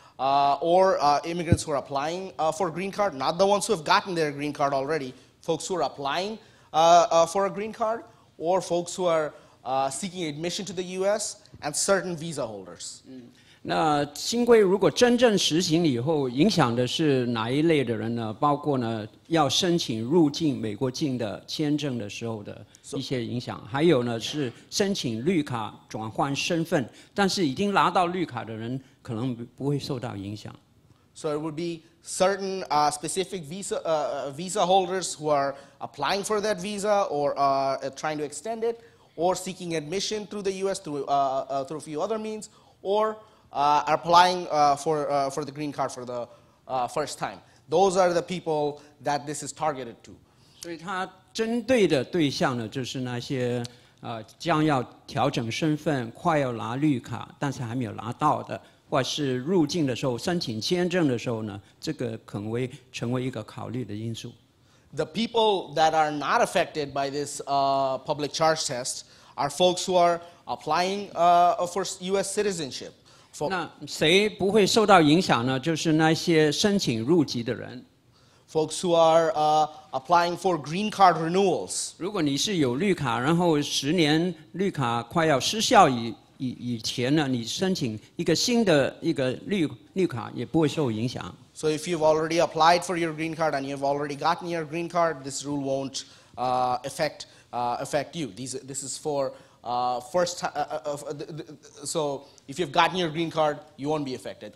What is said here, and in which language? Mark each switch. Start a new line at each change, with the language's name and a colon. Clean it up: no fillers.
English: Or immigrants who are applying for a green card, not the ones who have gotten their green card already, folks who are applying. For a green card, or folks who are seeking admission to the U.S. and certain visa holders.
Chinese: 那新规如果真正实行以后，影响的是哪一类的人呢？包括呢，要申请入境美国境的签证的时候的一些影响，还有呢是申请绿卡转换身份，但是已经拿到绿卡的人可能不会受到影响。
English: So it would be certain specific visa holders who are applying for that visa or trying to extend it, or seeking admission through the U.S. through a few other means, or applying for the green card for the first time. Those are the people that this is targeted to.
Chinese: 所以它针对的对象呢，就是那些将要调整身份、快要拿绿卡，但是还没有拿到的。或是入境的时候申请签证的时候呢，这个可能会成为一个考虑的因素。
English: The people that are not affected by this public charge test are folks who are applying for U.S. citizenship.
Chinese: 那谁不会受到影响呢？就是那些申请入籍的人。
English: Folks who are applying for green card renewals.
Chinese: 如果你是有绿卡，然后十年绿卡快要失效以前呢，你申请一个新的一个绿卡也不会受影响。
English: So if you've already applied for your green card and you've already gotten your green card, this rule won't affect you. This is for first time. So if you've gotten your green card, you won't be affected.